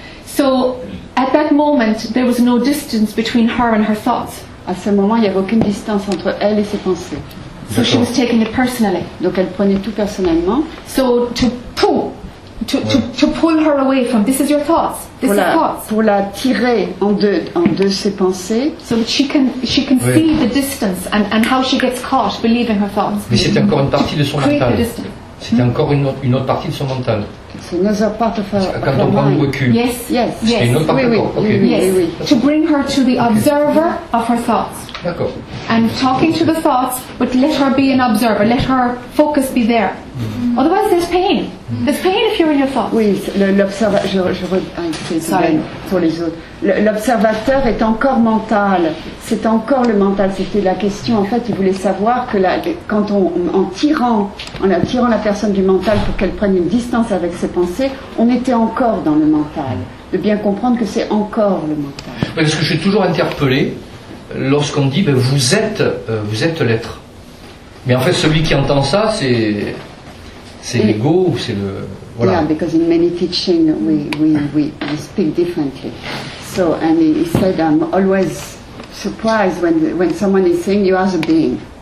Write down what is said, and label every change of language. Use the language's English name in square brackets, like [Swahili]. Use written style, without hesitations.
[English] So at that moment, there was no distance between her and her thoughts. [French] À ce moment, il n'y avait aucune distance entre elle et ses pensées. [English] So she was taking it personally. [French] Donc elle prenait tout personnellement. [English] So to pull her away from this is your thoughts. This is thoughts. [French] Pour la tirer en deux ses pensées. [English] So that she can oui. See the distance and how she gets caught believing her thoughts. [French] Mais c'est encore une partie de son mental. C'est encore une autre partie de son mental. C'est une autre partie de son mental. Quand on prend du recul. [English] Yes, yes, yes. [French] C'est une autre partie. Oui, oui. [English] Okay. Yes. [French] Oui, oui. [English] To bring her to the observer of her thoughts. [French] D'accord. [English] And talking to the thoughts, but let her be an observer. Let her focus be there. Mm-hmm. Otherwise, there's pain. Mm-hmm. There's pain if you're in your thoughts. [French] Oui, l'observateur. Pour les autres. L'observateur est encore mental. C'est encore le mental. C'était la question. En fait, il voulait savoir que en tirant la personne du mental pour qu'elle prenne une distance avec ses pensées, on était encore dans le mental. De bien comprendre que c'est encore le mental. Parce que je suis toujours interpellé. Lorsqu'on dit ben, vous êtes l'être, mais en fait celui qui entend ça c'est l'ego ou c'est le voilà. [English] Yeah, because in many teaching we speak differently. So and he said I'm always surprised when someone is saying you are the being.